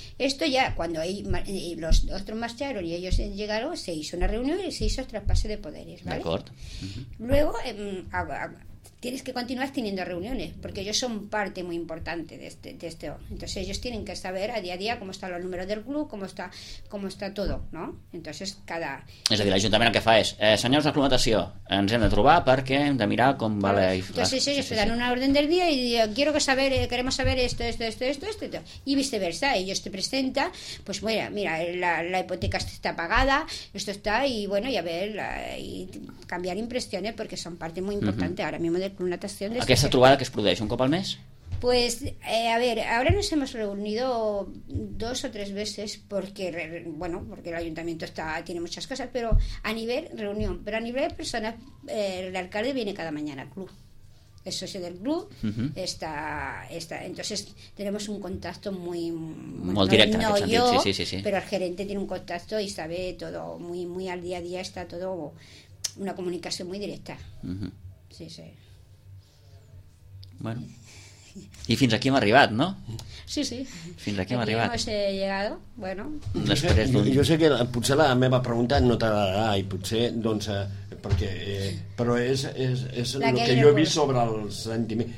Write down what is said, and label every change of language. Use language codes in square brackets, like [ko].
[es] Esto ya cuando los otros marcharon y ellos llegaron, se hizo una reunión y se hizo el traspase de poderes, ¿vale? De acuerdo. Luego tienes que continuar teniendo reuniones porque ellos son parte muy importante de este. Entonces ellos tienen que saber a día cómo están los números del club, cómo está todo, ¿no? Entonces cada... [ca] És a dir, l'Ajuntament el que fa és senyors d'aclimatació, ens hem de trobar perquè hem de mirar com va la... [es] Entonces ellos te dan una orden del día y quiero que saber, queremos saber esto, y viceversa, ellos te presentan, pues bueno, mira, la hipoteca está pagada, esto está, y bueno, y a ver, y cambiar impresiones porque son parte muy importante ahora mismo de una estación de... [ca] Aquesta trobada que es produeix un cop al mes? [es] Pues, a ver, ahora nos hemos reunido dos o tres veces porque el ayuntamiento tiene muchas cosas, pero a nivel reunión, pero a nivel de personas, el alcalde viene cada mañana al club. El socio del club está, entonces tenemos un contacto muy [ca] molt directe, [es] no yo, sí. Pero el gerente tiene un contacto y sabe todo muy, muy al día a día, está todo una comunicación muy directa. Sí. [ca] Bueno, y fins aquí hem arribat, ¿no? Sí. Fins aquí hem arribat. [es] Aquí hemos llegado, bueno. [ca] Jo sé que potser la meva pregunta no t'agradarà i potser, doncs, perquè... Però és el que jo he vist sobre el sentiment.